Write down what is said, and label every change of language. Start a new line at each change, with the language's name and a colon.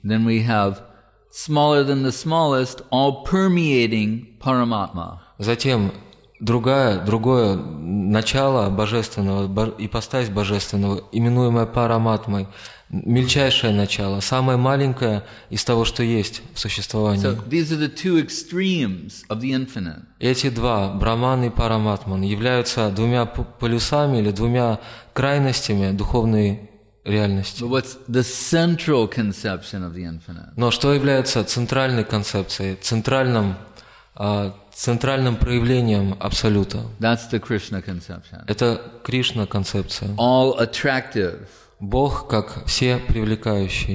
English: Then we have smaller than the smallest, all permeating Paramatma.
Russian: Затем другое начало божественного, ипостась божественного, именуемое Параматмой, мельчайшее начало, самое маленькое из того, что есть в существовании.
English: So, these are the two extremes of the infinite.
Russian: Эти два, Брахман и Параматман, являются двумя полюсами или двумя крайностями духовной реальности.
English: But what's the central conception of the infinite?
Russian: Но что является центральной концепцией, центральным проявлением Абсолюта?
English: That's the Krishna conception.
Russian: Это Кришна концепция.
English: All attractive.
Russian: Бог как все привлекающие.